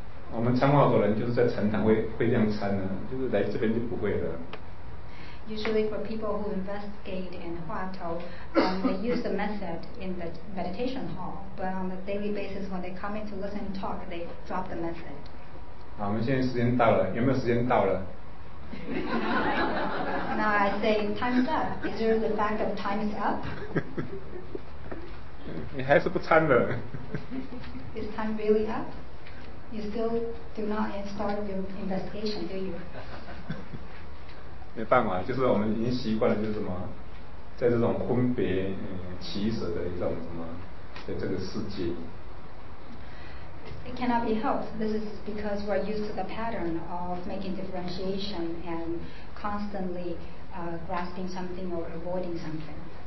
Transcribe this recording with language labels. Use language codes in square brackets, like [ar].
[zh] 我们参话的人就是在禅堂会这样参的，就是来这边就不会了。 [en] Usually for people who investigate in Hua Tou, they use the method in the meditation hall. But on a daily basis, when they come in to listen and talk, they drop the method. [zh] 好，我们现在时间到了，有没有时间到了？ [en] Now I say time's up. Is there the fact of time is up? [zh] 你还是不参的。 [en] Is time really up? You still do not start your investigation, do you? [zh] 没办法，就是我们已经习惯了，就是什么，在这种分别、取舍的一种什么的这个世界。 [en] It cannot be helped. This is because we're used to the pattern of making differentiation and constantly grasping something or avoiding something.